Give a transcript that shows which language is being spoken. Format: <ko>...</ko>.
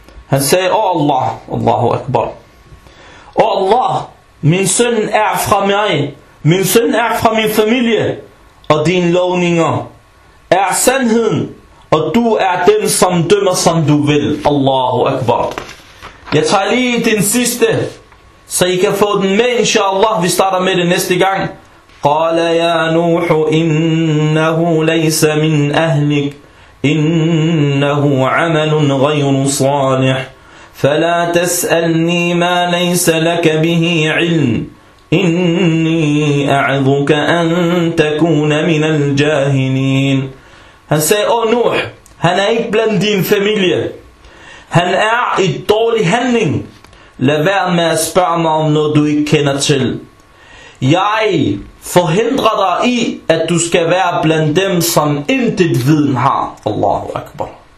<da>Han sagde, O Allah, Allahu Akbar. O Allah, min søn er fra mig, min søn er fra min familie, og dine lovninger er sandheden, og du er den, som dømmer, som du vil.</da> <ar>Allahu Akbar.</ar> <da>Jeg tager lige den sidste, så I kan få den med, inshallah. Vi starter med det næste gang.</da> <ar>قال يا نوح إنه ليس من أهلك إنه عمل غير صالح فلا تسألني ما ليس لك به علم إني أعظك أن تكون من الجاهلين.</ar> <da>Han sagde, oh Nuh, han er ikke blandt din familie. Han er i dårlig handling. Lad være med at spørge mig om noget, du ikke kender til. Jeg forhindrer dig i, at du skal være blandt dem, som intet viden har. Allahu Akbar.</da>